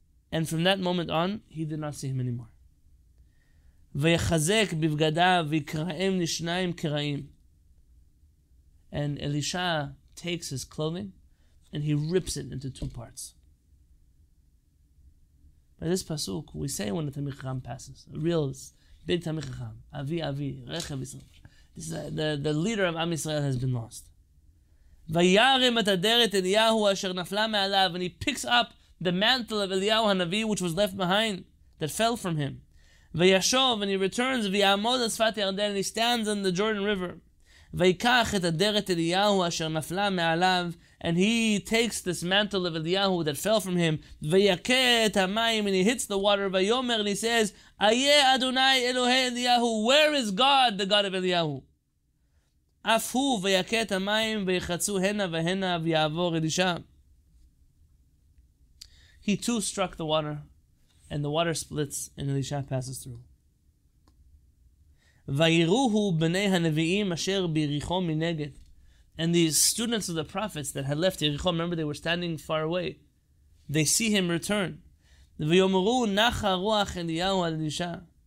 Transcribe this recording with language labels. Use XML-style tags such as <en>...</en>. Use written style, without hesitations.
<en>And from that moment on, he did not see him anymore.</en> <he>ויחזק בבגדיו ויקרעם לשניים קרעים.</he> <en>And Elisha takes his clothing and he rips it into two parts. By this pasuk, we say when the Tamich Ram passes, a real big Tamich Ram,</en> <he>Avi Avi, Rechav Yisrael.</he> <en>This is the leader of Am Yisrael has been lost.</en> <he>וירם את הדרת אליהו אשר נפלה מעליו,</he> <en>and he picks up the mantle of Eliyahu הנביא, which was left behind, that fell from him.</en> <he>וישוב,</he> <en>and he returns,</en> <he>ויעמוד על שפת ירדן,</he> <en>and he stands on the Jordan River.</en> <he>ויקח את הדרת אליהו אשר נפלה מעליו,</he> <en>and he takes this mantle of Eliyahu that fell from him.</en> <he>ויקה את המים,</he> <en>and he hits the water.</en> <he>ויאמר,</he> <en>and he says,</en> <he>איה אדוני אלוהי אליהו,</he> <en>where is God, the God of Eliyahu?</en> <he>אף הוא ויקה את המים ויחצו הנה והנה ויעבור אלישה.</he> <en>He too struck the water, and the water splits, and אלישה passes through.</en> <he>ויראוהו בני הנביאים אשר ביריחו מנגד.</he> <en>And these students of the prophets that had left יריחו, remember they were standing far away, they see him return.</en> <he>ויאמרו נחה רוח אליהו על אלישה.</he>